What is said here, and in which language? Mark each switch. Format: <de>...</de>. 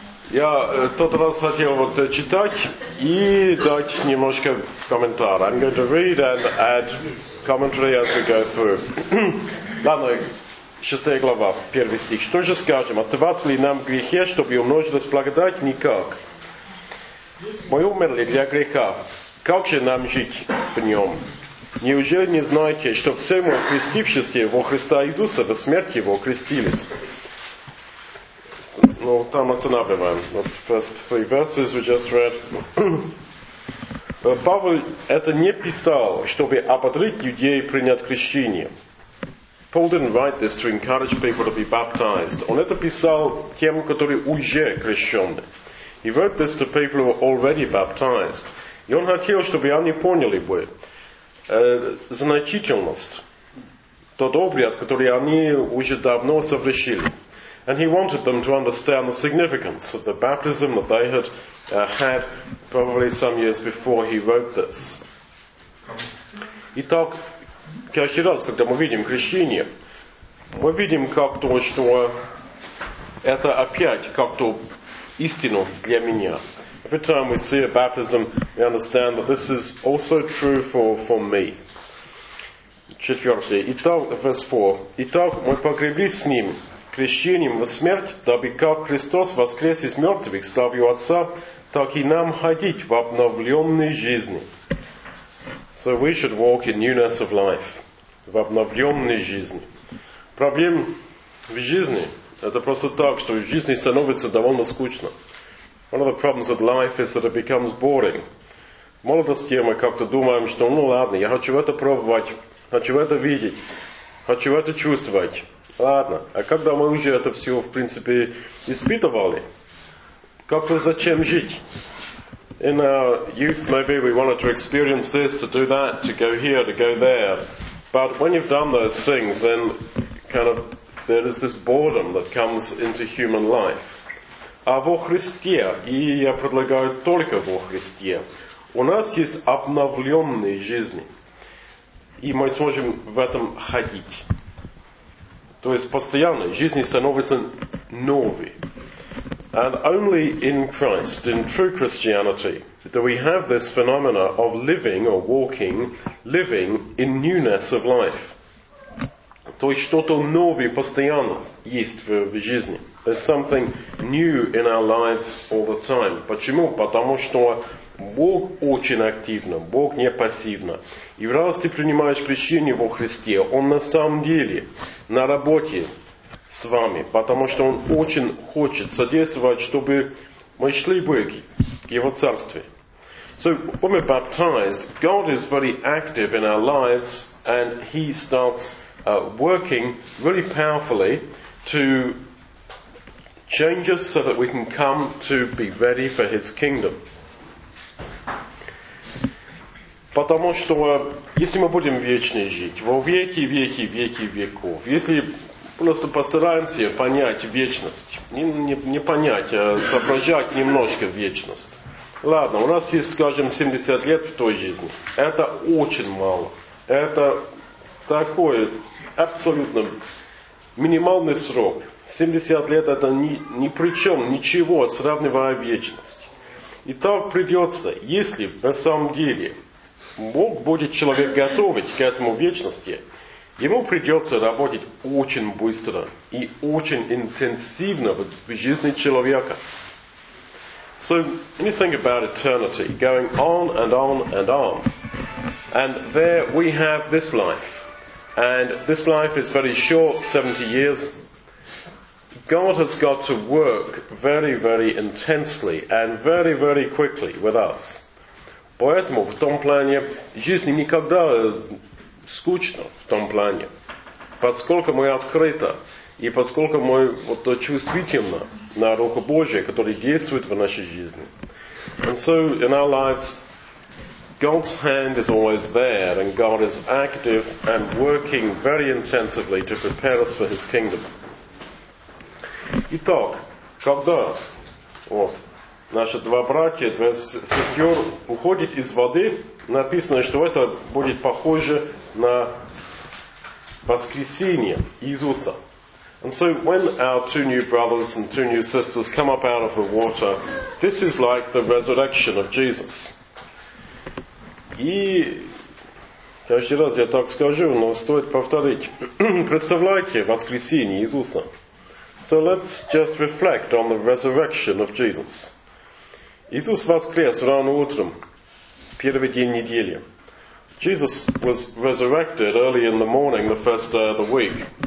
<ru>Я тот раз хотел вот читать и дать немножко комментария.</ru> <en>I'm going to read and add commentary as we go through.</en> <ru>Ладно, 6 глава, 1 стих. Что же скажем? Оставаться ли нам в грехе, чтобы умножилась благодать? Никак. Мы умерли для греха. Как же нам жить в нем? Неужели не знаете, что все мы, крестившиеся во Христа Иисуса, во смерть Его крестились? Ну, там останавливаем.</ru> <en>First three verses we just read.</en> <ru>Павел это не писал, чтобы ободрить людей принять крещение.</ru> <en>Paul didn't write this to encourage people to be baptized.</en> <ru>Он это писал тем, которые уже крещены.</ru> <en>He wrote this to people who were already baptized.</en> <ru>И он хотел, чтобы они поняли бы значительность тот обряд, который они уже давно совершили.</ru> <en>And he wanted them to understand the significance of the baptism that they had had probably some years before he wrote this.</en> <ru>Итак, каждый раз, когда мы видим крещение, мы видим как-то, что это опять как-то истину для меня.</ru> <en>Every time we see a baptism, we understand that this is also true for me.</en> <ru>Четвертый. Итак,</ru> <en>verse 4.</en> <ru>Итак, мы погребли с ним крещением в смерть, дабы как Христос воскрес из мертвых славью Отца, так и нам ходить в обновленной жизни.</ru> <en>So we should walk in newness of life.</en> <ru>В обновленной жизни. Проблем в жизни, это просто так, что в жизни становится довольно скучно.</ru> <en>One of the problems of life is that it becomes boring.</en> <ru>В молодости мы как-то думаем, что ну ладно, я хочу это пробовать, хочу это видеть, хочу это чувствовать. Ладно, а когда мы уже это все, в принципе, испытывали, как-то зачем жить?</ru> <en>In our youth, maybe we wanted to experience this, to do that, to go here, to go there. But when you've done those things, then kind of there is this boredom that comes into human life.</en> <ru>А во Христе, и я предлагаю только во Христе, у нас есть обновленные жизни. И мы сможем в этом ходить. То есть постоянно жизнь становится новой.</ru> <en>And only in Christ, in true Christianity, do we have this phenomena of living or walking, living in newness of life.</en> <ru>То есть что-то новое постоянно есть в жизни.</ru> <en>There's something new in our lives all the time.</en> <ru>Почему? Потому что Бог очень активно, Бог не пассивно. И раз ты принимаешь крещение во Христе, Он на самом деле на работе с вами, потому что Он очень хочет содействовать, чтобы мы шли бы к Его Царствию.</ru> <en>So, when we're baptized, God is very active in our lives, and He starts working really powerfully to change us so that we can come to be ready for His kingdom.</en> <ru>Потому что если мы будем вечно жить, во веки, веки, веки, веков, если просто постараемся понять вечность, не понять, а соображать немножко вечность. Ладно, у нас есть, скажем, 70 лет в той жизни. Это очень мало. Это такой абсолютно минимальный срок. 70 лет это ни при чем, ничего, сравнивая вечность. И так придется, если на самом деле Бог будет человек готовить к этому вечности, ему придется работать очень быстро и очень интенсивно в жизни человека.</ru> <en>So, when you think about eternity, going on and on and on, and there we have this life, and this life is very short, 70 years, God has got to work very, very intensely and very, very quickly with us.</en> <ru>Поэтому в том плане жизни никогда скучно в том плане. Поскольку мы открыты, и поскольку мы вот чувствительны на Руху Божию, который действует в нашей жизни.</ru> <en>And so in our lives, God's hand is always there, and God is active and working very intensively to prepare us for His kingdom.</en> <ru>Итак, когда вот, наши два братья, две сестер уходят из воды, написано, что это будет похоже на воскресение Иисуса.</ru> <en>And so when our two new brothers and two new sisters come up out of the water, this is like the resurrection of Jesus.</en> <ru>И каждый раз я так скажу, но стоит повторить. Представляете воскресение Иисуса.</ru> <en>So let's just reflect on the resurrection of Jesus.</en> <ru>Иисус воскрес рано утром, первый день недели.</ru> <en>Jesus was resurrected early in the morning, the first day of the week.</en>